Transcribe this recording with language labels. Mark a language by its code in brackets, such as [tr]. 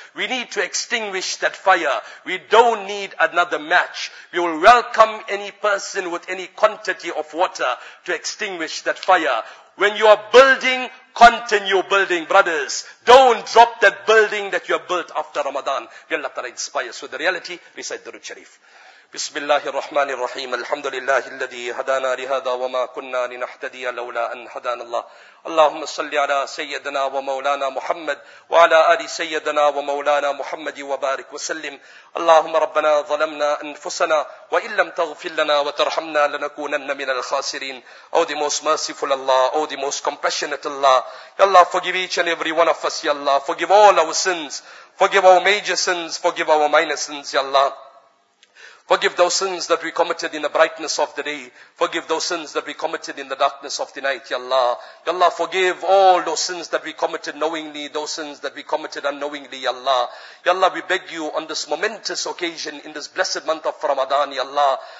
[en] We need to extinguish that fire. We don't need another match. We will welcome any person with any quantity of water to extinguish that fire. When you are building, continue building, brothers. Don't drop that building that you have built after Ramadan. May Allah Ta'ala inspire us with the reality. Recite Durud Sharif. [ar] بسم الله الرحمن الرحيم الحمد لله الذي هدانا لهذا وما كنا لنهتدي لولا أن هدانا الله اللهم صل على سيدنا ومولانا محمد وعلى آل سيدنا ومولانا محمد وبارك وسلم اللهم ربنا ظلمنا أنفسنا وإن لم تغفر لنا وترحمنا لنكونن من الخاسرين [en] Oh the most merciful Allah, Oh the most compassionate Allah, Ya Allah forgive each and every one of us, Ya Allah forgive all our sins, forgive our major sins, forgive our minor sins, Ya Allah. Forgive those sins that we committed in the brightness of the day. Forgive those sins that we committed in the darkness of the night, Ya Allah. Ya Allah, forgive all those sins that we committed knowingly, those sins that we committed unknowingly, Ya Allah. Ya Allah, we beg you on this momentous occasion, in this blessed month of Ramadan, Ya Allah.